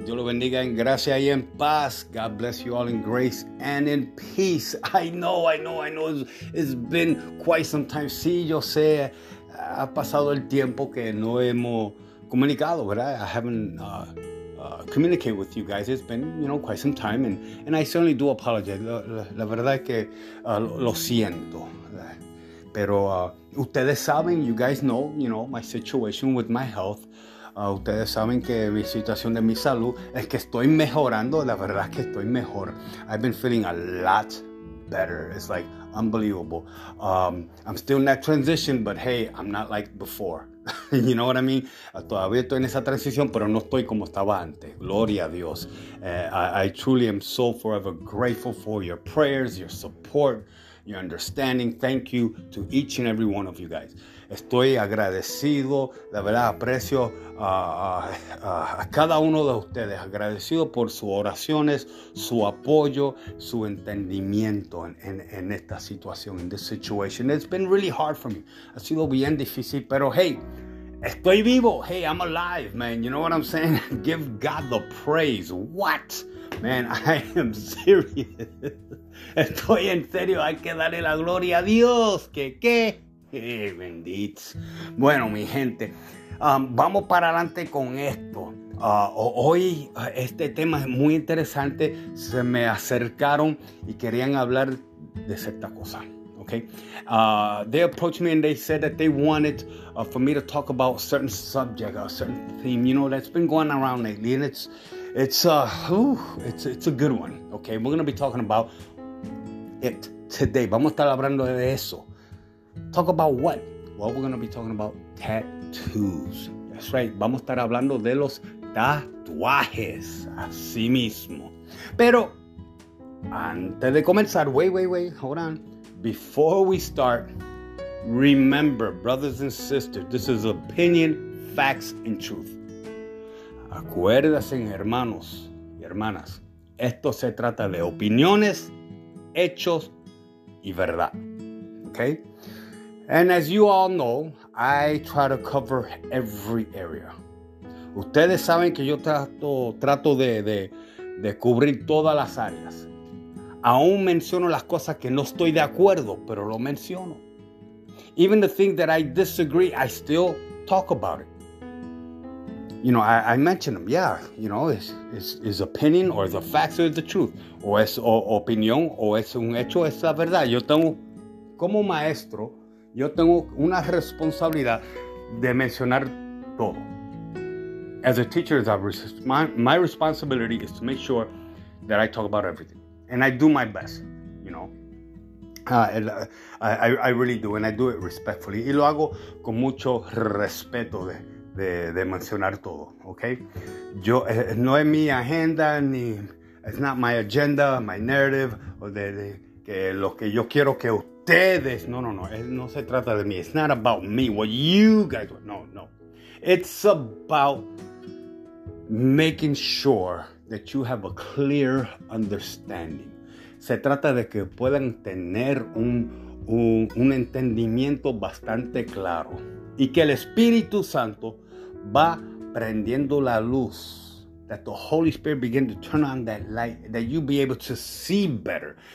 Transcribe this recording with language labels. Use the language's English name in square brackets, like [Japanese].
[Spanish] Dios lo bendiga en gracia y en paz. [English] God bless you all in grace and in peace. I know. It's been quite some time. [Spanish] Sí, yo sé. Ha pasado el tiempo que no hemos comunicado, ¿verdad? [English] I haven't communicated with you guys. It's been, you know, quite some time. And I certainly do apologize. [Spanish] La verdad es que lo siento. Pero ustedes saben, [English] you guys know, you know, my situation with my health. [Spanish] Ustedes saben que mi situación de mi salud es que estoy mejorando. La verdad es que estoy mejor. [English] I've been feeling a lot better. It's like unbelievable. I'm still in that transition, but hey, I'm not like before. You know what I mean? [Spanish] Todavía estoy en esa transición, pero no estoy como estaba antes. Gloria a Dios. [English] I truly am so forever grateful for your prayers, your support, your understanding. Thank you to each and every one of you guys. [Spanish] Estoy agradecido, la verdad, aprecio a cada uno de ustedes. Agradecido por sus oraciones, su apoyo, su entendimiento en esta situación, [English] in this situation. It's been really hard for me. [Spanish] Ha sido bien difícil, pero hey, estoy vivo. [English] Hey, I'm alive, man. You know what I'm saying? Give God the praise. What? Man, I am serious. [Spanish] Estoy en serio. Hay que darle la gloria a Dios. ¿Qué? Hey, benditos. Bueno, mi gente, vamos para adelante con esto. Hoy este tema es muy interesante. Se me acercaron y querían hablar de cierta cosa. [English] Okay. They approached me and they said that they wanted for me to talk about a certain subject, a certain theme, you know, that's been going around lately. And it's a good one. Okay, we're going to be talking about it today. [Spanish] Vamos a estar hablando de eso. [English] Talk about what? Well, we're going to be talking about tattoos. That's right. [Spanish] Vamos a estar hablando de los tatuajes. Así mismo. Pero antes de comenzar, [English] wait, hold on. Before we start, remember, brothers and sisters, this is opinion, facts, and truth. [Spanish] Acuérdense, hermanos y hermanas, esto se trata de opiniones, hechos, y verdad. [English] Okay? And as you all know, I try to cover every area. [Spanish] Ustedes saben que yo trato de cubrir todas las áreas. Aún menciono las cosas que no estoy de acuerdo, pero lo menciono. [English] Even the things that I disagree, I still talk about it. You know, I mention them. Yeah, you know, it's opinion or the facts or the truth. [Spanish] O es opinión o es un hecho, es la verdad. Yo tengo, como maestro, yo tengo una responsabilidad de mencionar todo. [English] As a teacher, my responsibility is to make sure that I talk about everything. And I do my best, you know. I really do, and I do it respectfully. [Spanish] Y lo hago con mucho respeto de mencionar todo, okay? Yo no es mi agenda ni [English] it's not my agenda, my narrative, [Spanish] o de que lo que yo quiero que ustedes. No. No se trata de mí. [English] It's not about me. What you guys want. No. It's about making sure that you have a clear understanding. [Spanish] Se trata de que puedan tener un entendimiento bastante claro y que el Espíritu Santo va prendiendo la luz. [English] That the Holy Spirit begin to turn on that light, that you be able to see better.